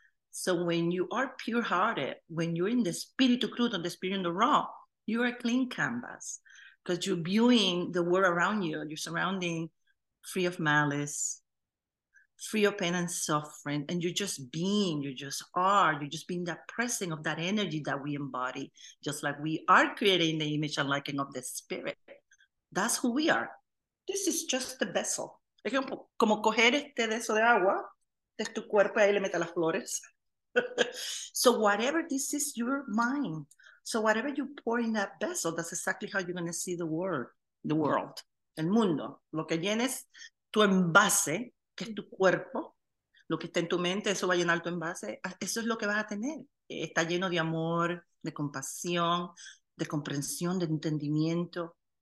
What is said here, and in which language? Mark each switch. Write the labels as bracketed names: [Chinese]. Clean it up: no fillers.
[English] So when you are pure-hearted, when you're in the spirit of crudo, the spirit in the raw, you're a clean canvas because you're viewing the world around you, your surrounding, free of malice, free of pain and suffering, and you're just being, you just are, you're just being that pressing of that energy that we embody, just like we are creating the image and liking of the spirit. That's who we are. This is just the vessel. [Spanish] Ejemplo, como coger este vaso de agua, de tu cuerpo ahí le metes las flores. [English] So whatever, this is your mind. So whatever you pour in that vessel, that's exactly how you're going to see the world, [Spanish] el mundo. Lo que llenes tu envase, que es tu cuerpo, lo que está en tu mente, eso va a llenar tu envase. Eso es lo que vas a tener. Está lleno de amor, de compasión, de comprensión, de entendimiento.